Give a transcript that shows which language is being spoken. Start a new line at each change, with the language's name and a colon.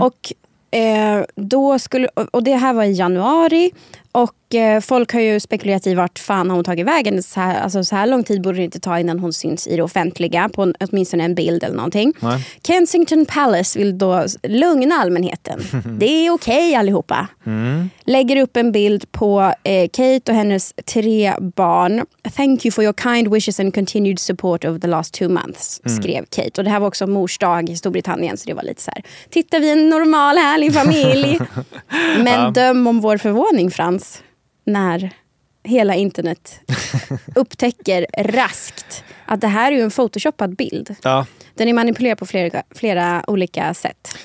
Swedish: Och då skulle, och det här var i januari, och folk har ju spekulerat i vart fan har hon tagit vägen. Så här, alltså så här lång tid borde det inte ta innan hon syns i det offentliga på en, åtminstone en bild eller någonting. Nej. Kensington Palace vill då lugna allmänheten. Det är okej, okay, allihopa. Mm. Lägger upp en bild på Kate och hennes 3 barn.
English: Thank you for your kind wishes and continued support over the last 2 months,
Swedish: skrev Kate. Och det här var också morsdag i Storbritannien, så det var lite så här, titta, vi är en normal härlig familj. Men döm om vår förvåning, Frans, när hela internet upptäcker raskt att det här är ju en photoshoppad bild. Ja. Den är manipulerad på flera olika sätt.